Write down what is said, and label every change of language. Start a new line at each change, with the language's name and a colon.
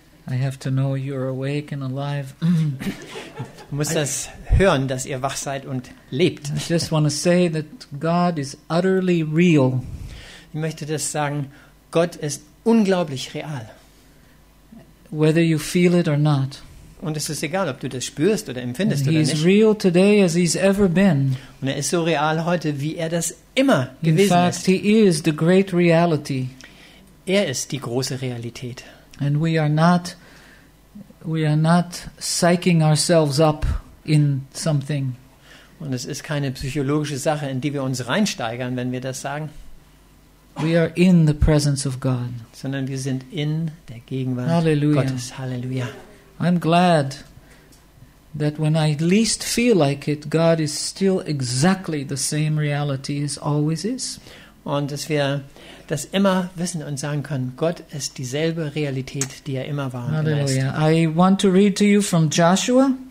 English: I have to know you're awake and alive.
German: Du musst das hören, dass ihr wach seid und lebt.
English: I just want to say that God is utterly real.
German: Ich möchte das sagen, Gott ist unglaublich real.
English: Whether you feel it or not.
German: Und es ist egal, ob du das spürst oder empfindest oder nicht.
English: He's real today as he's ever been.
German: Und er ist so real heute, wie er das immer gewesen ist.
English: In fact, he is the great reality.
German: Er ist die große Realität.
English: And we are not psyching ourselves up in something.
German: Und es ist keine psychologische Sache, in die wir uns reinsteigern, wenn wir das sagen.
English: We are in the presence of God.
German: Sondern wir sind in der Gegenwart Halleluja. Gottes. Halleluja.
English: I'm glad that when I least feel like it, God is still exactly the same reality as always is.
German: Und dass wir das immer wissen und sagen können, Gott ist dieselbe Realität, die er immer war. Halleluja.
English: I want to read to you from Joshua.